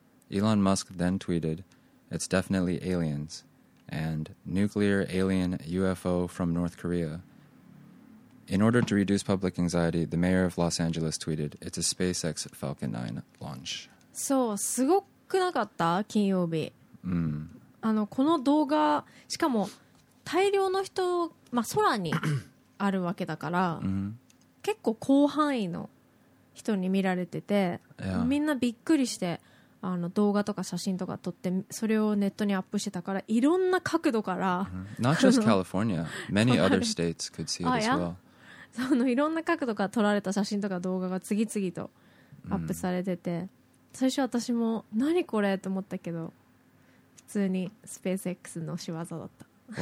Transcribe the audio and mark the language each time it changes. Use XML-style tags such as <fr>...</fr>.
<en>Elon Musk then tweeted, "It's definitely aliens," and "nuclear alien UFO from North Korea." In order to reduce public anxiety, the mayor of Los Angeles tweeted, "It's a SpaceX Falcon 9 launch."</en> <ja>そう、すごくなかった？金曜日。うん。あの、この動画、しかも大量の人、まあ、空にあるわけだから、うん、結構広範囲の人に見られてて、</ja> <en>yeah.</en> <ja>みんなびっくりして、あの動画とか写真とか撮って、それをネットにアップしてたから、いろんな角度から、</ja> <en>mm-hmm. Not just California, many other states could see it as well. Yeah.</en> <ja>そのいろんな角度から撮られた写真とか動画が次々とアップされてて、mm. 最初私も何これと思ったけど、普通にスペース X の仕業だった。</ja>